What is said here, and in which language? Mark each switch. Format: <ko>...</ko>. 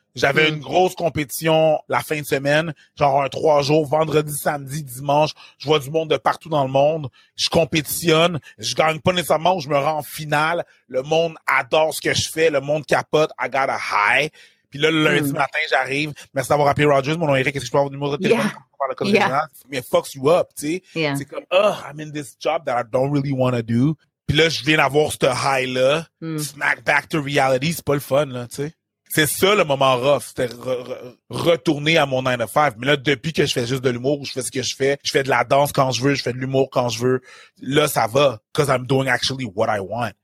<fr>J'avais une grosse compétition la fin de semaine, genre un 3 jours, vendredi, samedi, dimanche. Je vois du monde de partout dans le monde. Je compétitionne. Je gagne pas nécessairement où je me rends en finale. Le monde adore ce que je fais. Le monde capote.</fr> <en>I got a high.</en> <fr>Puis là, le lundi matin, j'arrive. Merci d'avoir appelé Rogers. Mon nom est Eric. Est-ce que je peux avoir le numéro de téléphone par le code général?</fr> <en>Mais fucks you up,</en> <fr>tu sais.</fr> <en>Yeah.</en> <fr>C'est comme,</fr> <en>oh, I'm in this job that I don't really want to do.</en> <fr>Puis là, je viens d'avoir ce high-là.</fr> <en>Smack back to reality.</en> <fr>C'est pas le fun, là, tu sais. C'est ça le moment rough, c'était retourner à mon 9-5. Mais là, depuis que je fais juste de l'humour, je fais ce que je fais de la danse quand je veux, je fais de l'humour quand je veux, là, ça va,</fr> <en>because I'm doing actually what I want.</en>